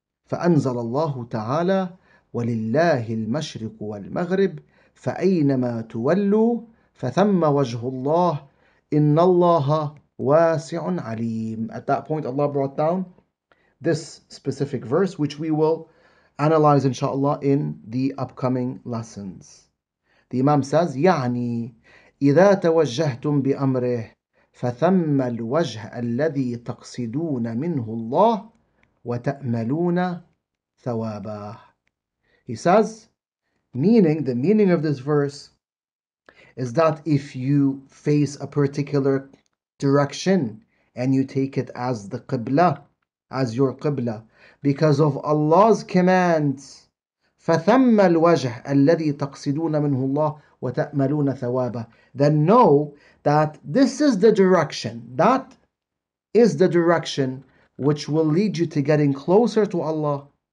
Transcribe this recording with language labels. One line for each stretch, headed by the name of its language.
Arabic: فَأَنْزَلَ اللَّهُ تَعَالَى وَلِلَّهِ الْمَشْرِقُ وَالْمَغْرِبُ فَأَيْنَمَا تُوَلُّوا فَثَمَّ وَجْهُ اللَّهِ إِنَّ اللَّهَ وَاسِعٌ عَلِيمٌ.
English: At that point, Allah brought down this specific verse, which we will analyze, inshallah, in the upcoming lessons. The Imam says,
Arabic: يعني إذا توجهتم بأمره فثم الوجه الذي تقصدون منه الله وتأملون ثوابه.
English: He says, meaning, the meaning of this verse is that if you face a particular direction and you take it as the Qibla, as your Qibla, because of Allah's commands,
Arabic: فثم الوجه الذي تقصدون منه الله وتأملون ثوابه,
English: then know that this is the direction, that is the direction which will lead you to getting closer to Allah,